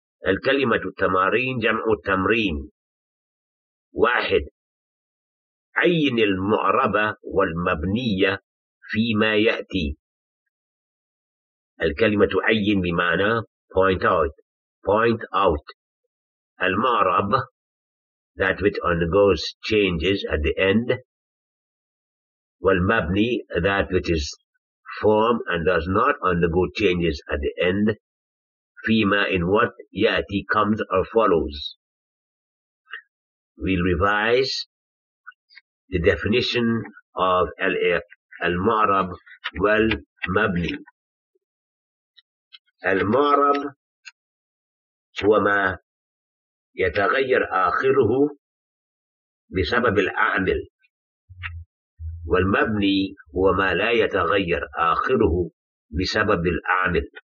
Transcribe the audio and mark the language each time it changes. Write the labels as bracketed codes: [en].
[ar] الكلمة تمارين جمع تمرين. واحد عين المعربة والمبنية فيما يأتي. الكلمة عين بمعنى [en] point out. Point out. المعرب that which undergoes changes at the end. والمبني that which is formed and does not undergo changes at the end. فيما in what يأتي comes or follows. We'll revise the definition of المعرب والمبني. [ar] المعرب هو ما يتغير آخره بسبب العامل، والمبني هو ما لا يتغير آخره بسبب العامل.